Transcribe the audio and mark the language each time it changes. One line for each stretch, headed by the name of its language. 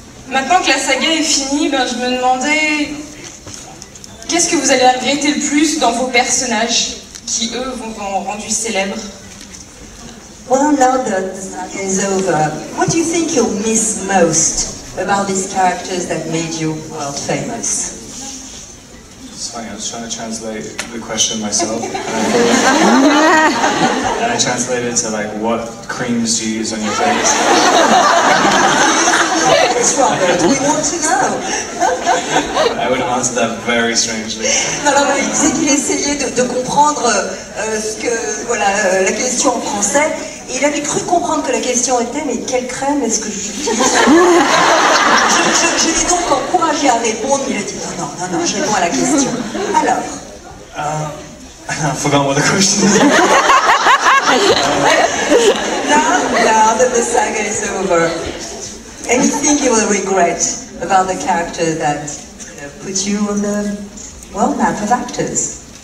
French: Maintenant que la saga est finie, ben, je me demandais qu'est-ce que vous allez regretter le plus dans vos personnages qui, eux, vous ont rendu célèbres.
English: Well, now that the saga is over, what do you think you'll miss most about these characters that made you world famous? It's funny, I was trying to translate the question myself. And I translated it to, like, what creams do you use on your face? Robert, we want to know. I would answer that very strangely.
French: Non, non, mais il disait qu'il essayait de comprendre ce que, voilà, la question en français. Et il avait cru comprendre que la question était, mais quelle crème est-ce que je l'ai donc encouragé à répondre, mais il a dit, non, je réponds à la question. Alors
English: I forgot what the question is. Now that the saga is over, anything you will regret about the character that put you on the world map of actors?